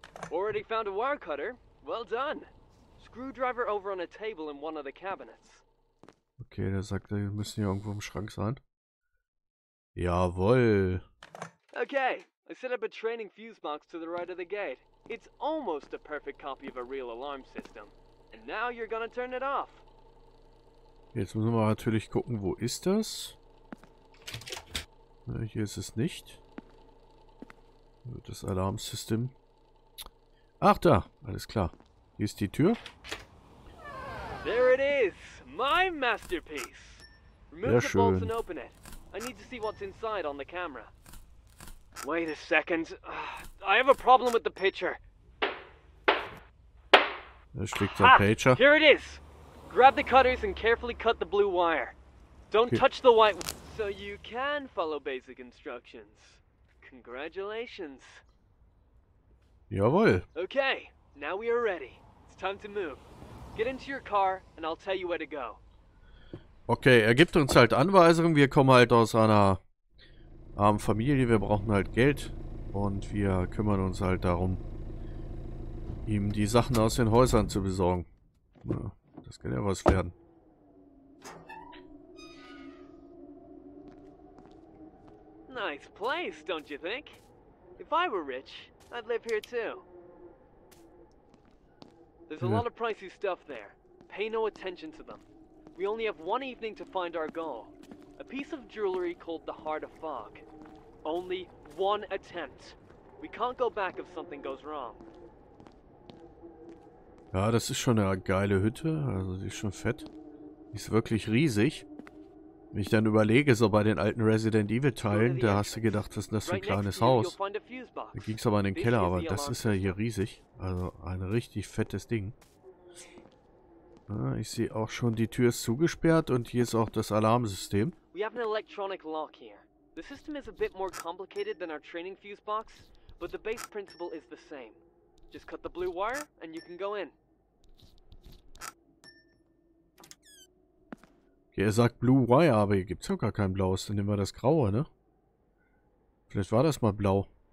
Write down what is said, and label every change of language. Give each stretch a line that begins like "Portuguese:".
English: Already found a wire cutter. Well done. Screwdriver over on a table in one of the cabinets.
German: Okay, der sagt, wir müssen hier irgendwo im Schrank sein. Jawohl.
English: Okay, I set up a training fuse box to the right of the gate. It's almost a perfect copy of a real alarm system. And now you're gonna turn it off.
German: Jetzt müssen wir natürlich gucken, wo ist das? Na, hier ist es nicht. Das Alarmsystem. Ach da, alles klar. Hier ist die Tür.
English: There it is, my masterpiece. Remove the bolts and open it. I need to see what's inside on the camera. Wait a second. I have a problem with the picture.
German: Da steckt der Pager.
English: Here it is. Grab the cutters and carefully cut the blue wire. Don't touch the white... So you can follow basic instructions. Congratulations.
German: Jawohl.
English: Okay, now we are ready. It's time to move. Get into your car and I'll tell you where to go.
German: Okay, gibt uns halt Anweisungen. Wir kommen halt aus einer armen Familie. Wir brauchen halt Geld. Und wir kümmern uns halt darum, ihm die Sachen aus den Häusern zu besorgen. Ja. Das kann ja was werden.
English: Nice place, don't you think? If I were rich, I'd live here too. There's a lot of pricey stuff there. Pay no attention to them. We only have one evening to find our goal. A piece of jewelry called the Heart of Fog. Only one attempt. We can't go back if something goes wrong.
German: Ja, das ist schon eine geile Hütte. Also die ist schon fett. Die ist wirklich riesig. Wenn ich dann überlege, so bei den alten Resident Evil Teilen, da hast du gedacht, was ist das für ein kleines Haus. Da ging es aber in den Keller, aber das ist ja hier riesig. Also ein richtig fettes Ding. Ja, ich sehe auch schon, die Tür ist zugesperrt und hier ist auch das Alarmsystem. Wir haben ein elektronisches Lock hier. Das System ist ein bisschen komplizierter als unsere Training-Fuse-Box, aber das Basisprinzip ist das gleiche.
English: Just cut the blue wire and you can go in.
German: Okay, er sagt
English: blue wire,
German: aber hier gibt's ja gar kein blaues. Dann nehmen wir das graue, ne? Vielleicht war das mal blau.